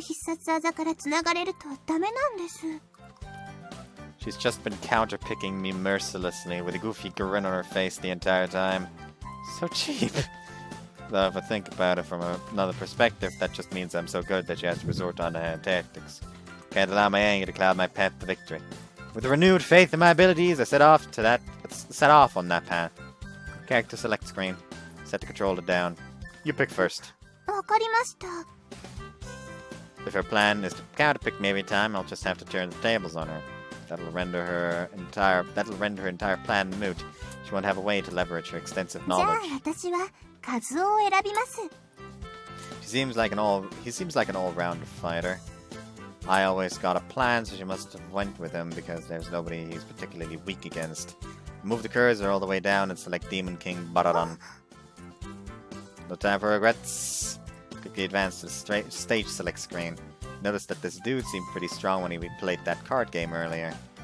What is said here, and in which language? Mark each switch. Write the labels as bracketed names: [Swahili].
[Japanese] 死神は反動を受けない代わりに一切防御ができないので、コンボには弱いんです。本来は空中コンボも無効にできるんですが、胸尾の必殺技からつながれるとダメなんです。 [English] She's just been counterpicking me mercilessly with a goofy grin on her face the entire time. So cheap. Though if I think about it from another perspective, that just means I'm so good that she has to resort to underhand tactics. Can't allow my anger to cloud my path to victory. With renewed faith in my abilities, I set off on that path. Character select screen. Set the controller down. You pick first. [Japanese] わかりました. [English] If her plan is to counterpick me every time, I'll just have to turn the tables on her. That'll render her entire plan moot. She won't have a way to leverage her extensive knowledge. [Japanese] じゃあ私はカズオを選びます. [English] He seems like an all-round fighter. I always got a plan, so she must have went with him because there's nobody he's particularly weak against. Move the cursor all the way down and select Demon King Baradon. No time for regrets. Quickly advance to the stage select screen. Notice that this dude seemed pretty strong when he played that card game earlier.